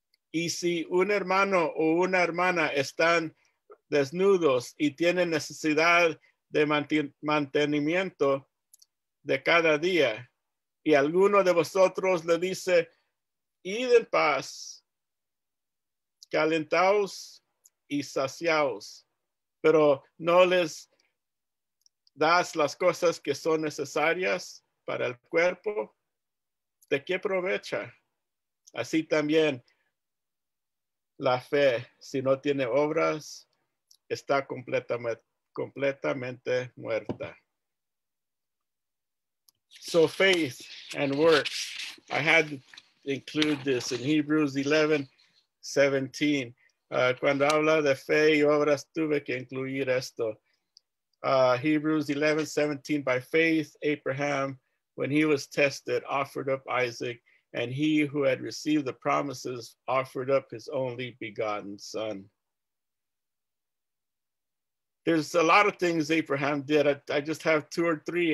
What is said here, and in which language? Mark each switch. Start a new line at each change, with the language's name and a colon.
Spanish: Y si un hermano o una hermana están desnudos y tienen necesidad de mantenimiento de cada día, y alguno de vosotros le dice, id en paz, calentaos y saciaos, pero no les das las cosas que son necesarias para el cuerpo, ¿de qué provecha? Así también la fe, si no tiene obras, está completamente muerta.
English: So faith and works, I had to include this in Hebrews 11:17.
Spanish: Cuando habla de fe y obras, tuve que incluir esto.
English: Hebrews 11:17, by faith, Abraham, when he was tested, offered up Isaac, and he who had received the promises offered up his only begotten son. There's a lot of things Abraham did. I just have two or three.